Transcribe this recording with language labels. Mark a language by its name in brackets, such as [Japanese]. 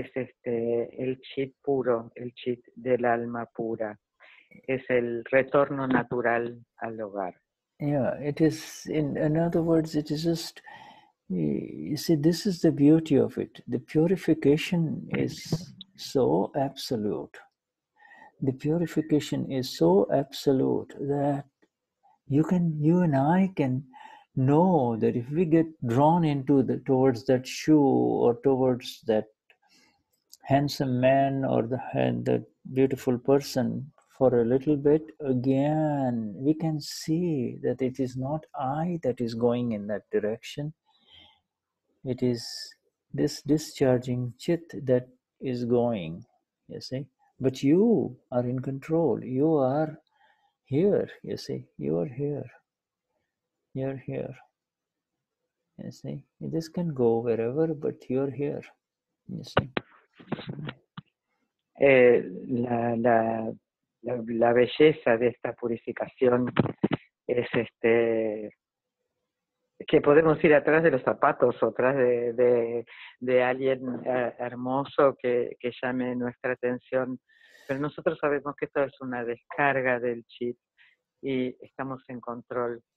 [Spanish] Es el chit puro, el chit del alma pura. Es el retorno natural al hogar. [English] Yeah, it is, in other words, it is just, you see, this is the beauty of it. The purification is so absolute. The purification is so absolute that you and I can know that if we get drawn towards that shoe or towards that handsome man or the beautiful person for a little bit, again we can see that it is not I that is going in that direction. It is this discharging chit that is going, you see. But you are in control. You are here, you see. You are here. You're here, you see. This can go wherever, but you're here, you see. [Spanish] La belleza de esta purificación es que podemos ir atrás de los zapatos o atrás de alguien hermoso que llame nuestra atención, pero nosotros sabemos que esto es una descarga del chip y estamos en control.